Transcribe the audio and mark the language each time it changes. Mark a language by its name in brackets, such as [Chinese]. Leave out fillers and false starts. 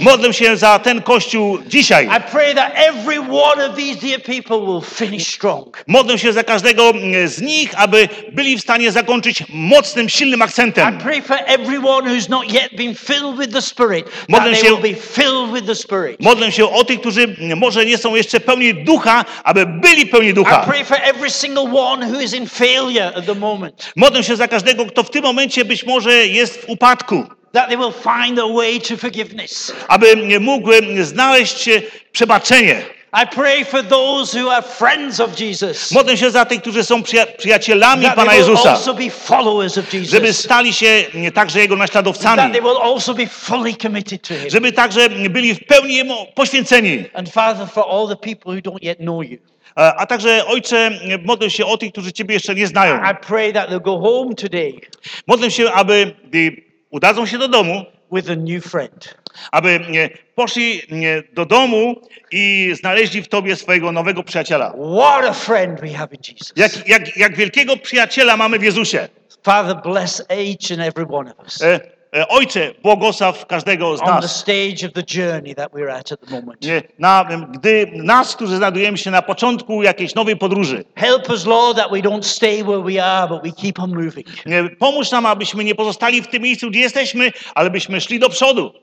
[Polish] Modlę się za ten Kościół dzisiaj. [English] I pray that every one of these dear people will finish strong. [Polish] Modlę się za każdego z nich, aby byli w stanie zakończyć mocnym, silnym akcentem. [English] I pray for everyone who's not yet been filled with the Spirit, [Polish] modlę [English] that they will be filled with the Spirit. [Polish] Modlę się o tych, którzy może nie są jeszcze pełni Ducha, aby byli pełni Ducha. [English] I pray for every single one who is in failure at the moment. [Polish] Modlę się za każdego, kto w tym momencie być może jest w upadku. [English] That they will find a way to forgiveness. [Polish] Aby mógł znaleźć przebaczenie. [English] I pray for those who are friends of Jesus. [Polish] Modlę się za tych, którzy są przyjacielami Pana Jezusa. [English] That they will also be followers of Jesus. [Polish] Żeby stali się także jego naśladowcami. [English] That they will also be fully committed to him. [Polish] Żeby także byli w pełni jemu poświęceni. [English] And Father, for all the people who don't yet know you. [Polish] A także, Ojcze, modlę się o tych, którzy Ciebie jeszcze nie znają. [English] I pray that they'll go home today. [Polish] Modlę się, aby udadzą się do domu. [English] With a new friend. [Polish] Aby poszli do domu i znaleźli w Tobie swojego nowego przyjaciela. [English] What a friend we have in Jesus. [Polish] Jak wielkiego przyjaciela mamy w Jezusie. [English] Father, bless each and every one of us. [Polish] Ojcze, błogosław każdego z nas. [English] On the stage of the journey that we're at the moment. [Polish] Gdy nas, którzy znajdujemy się na początku jakiejś nowej podróży. [English] Help us, Lord, that we don't stay where we are, but we keep on moving. [Polish] Pomóż nam, abyśmy nie pozostali w tym miejscu, gdzie jesteśmy, ale byśmy szli do przodu.